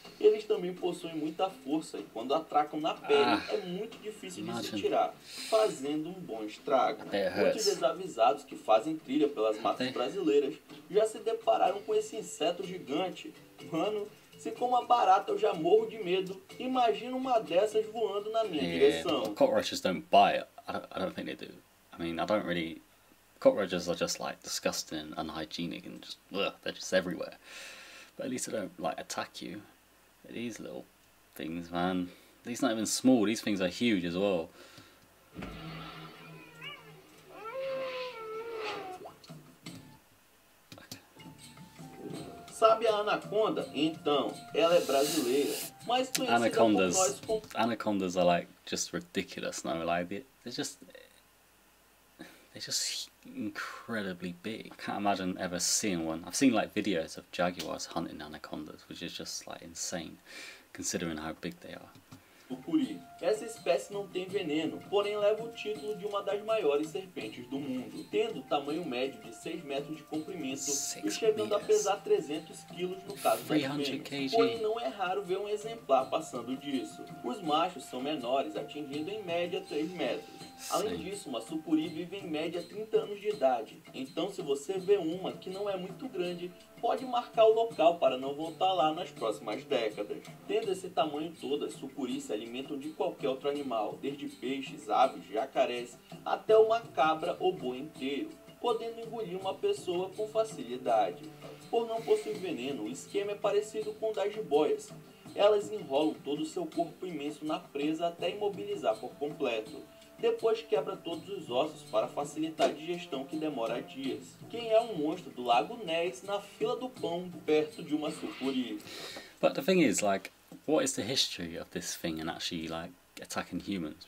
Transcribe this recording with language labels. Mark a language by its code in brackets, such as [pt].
[pt] Eles também possuem muita força e quando atracam na pele é muito difícil de se tirar, fazendo um bom estrago. Muitos desavisados que fazem trilha pelas matas brasileiras já se depararam com esse inseto gigante. Mano, se com uma barata eu já morro de medo, imagina uma dessas voando na minha direção. [en] Cockroaches don't bite. I don't think they do. I mean, I don't really... Cockroaches are just like disgusting and unhygienic and just... Ugh, they're just everywhere. But at least they don't like attack you. These little things, man. These are not even small, these things are huge as well. [pt] Sabe a anaconda? Então, ela é brasileira. Mas conhecida [en] anacondas. [pt] Por nós como... [en] Anacondas are like just ridiculous, no? Like they're just incredibly big. I can't imagine ever seeing one. I've seen like videos of jaguars hunting anacondas, which is just like insane, considering how big they are. [pt] Tucuri. Essa espécie não tem veneno, porém leva o título de uma das maiores serpentes do mundo, tendo tamanho médio de 6 metros de comprimento e chegando a pesar 300 quilos no caso das fêmeas. Porém, não é raro ver um exemplar passando disso. Os machos são menores, atingindo em média 3 metros. Além disso, uma sucuri vive em média 30 anos de idade. Então, se você vê uma que não é muito grande, pode marcar o local para não voltar lá nas próximas décadas. Tendo esse tamanho todo, as sucuris se alimentam de qualquer outro animal, desde peixes, aves, jacarés, até uma cabra ou boi inteiro, podendo engolir uma pessoa com facilidade. Por não possuir veneno, o esquema é parecido com o das jiboias. Elas enrolam todo o seu corpo imenso na presa até imobilizar por completo. Depois quebra todos os ossos para facilitar a digestão que demora dias. Quem é um monstro do Lago Ness na fila do pão perto de uma sucuri? [en] But the thing is, like, what is the history of this thing and actually, like, attacking humans?